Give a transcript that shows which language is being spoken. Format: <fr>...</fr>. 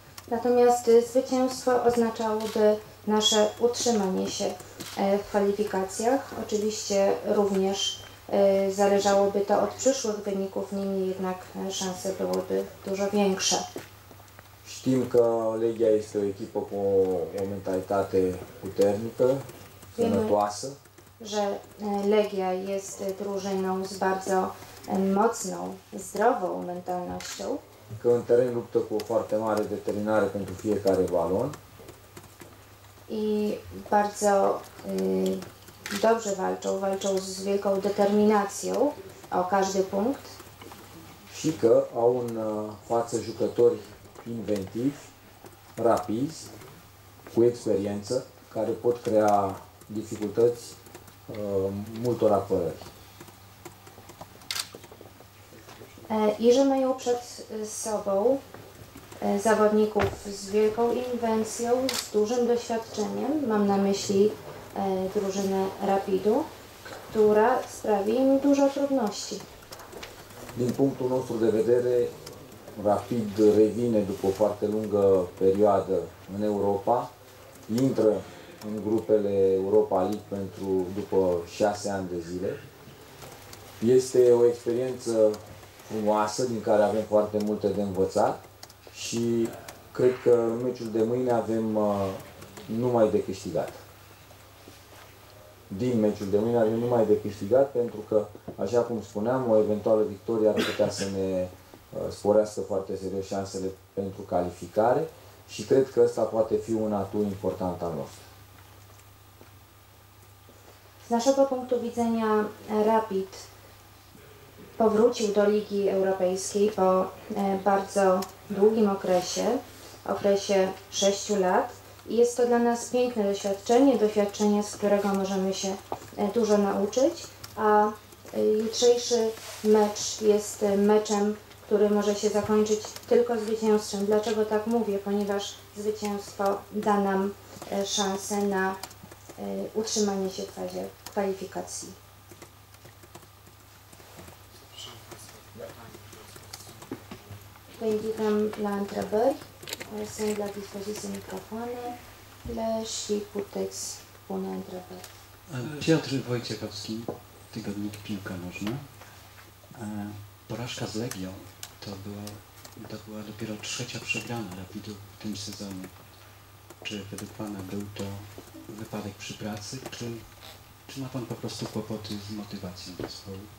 <pl>Natomiast zwycięstwo oznaczałoby nasze utrzymanie się w kwalifikacjach. Oczywiście również zależałoby to od przyszłych wyników, niemniej jednak szanse byłyby dużo większe.</pl> <ro>Știm că Legia este o echipă cu o mentalitate puternică, sănătoasă.</ro> <pl>Że Legia jest drużyną z bardzo mocną, zdrową mentalnością.</pl> <ro>Că în teren luptă cu o foarte mare determinare pentru fiecare balon.</ro> <pl>I bardzo dobrze walczą, walczą z wielką determinacją o każdy punkt.</pl> <ro>Și că au în față jucători inventivi, rapizi, cu experiență, care pot crea dificultăți multor apărări.</ro> <pl>I że mają przed sobą zawodników z wielką inwencją, z dużym doświadczeniem, mam na myśli drużynę Rapidu, która sprawi im dużo trudności.</pl> <ro>Din punctul nostru de vedere, Rapid revine după o foarte lungă perioadă în Europa, intră în grupele Europa League pentru după 6 ani de zile. Este o experiență frumoasă din care avem foarte multe de învățat și cred că în meciul de mâine avem numai de câștigat. Din meciul de mâine avem numai de câștigat, pentru că, așa cum spuneam, o eventuală victorie ar putea să ne sporească foarte serios șansele pentru calificare și cred că ăsta poate fi un atut important al nostru.</ro> <pl>Z naszego punktu widzenia Rapid powrócił do Ligi Europejskiej po bardzo długim okresie, okresie 6 lat. I jest to dla nas piękne doświadczenie, doświadczenie, z którego możemy się dużo nauczyć. A jutrzejszy mecz jest meczem, który może się zakończyć tylko zwycięstwem. Dlaczego tak mówię? Ponieważ zwycięstwo da nam szansę na utrzymanie się w fazie kwalifikacji.</pl> <ro>Invităm la întrebări, sunt la dispoziție microfoanele și puteți pune întrebări.</ro> <pl>Piotr Wojciechowski, tygodnik Piłka Nożna. Porażka z Legią to była dopiero trzecia przegrana Rapidu w tym sezonie. Czy według Pana był to wypadek przy pracy, czy ma Pan po prostu kłopoty z motywacją zespołu?</pl>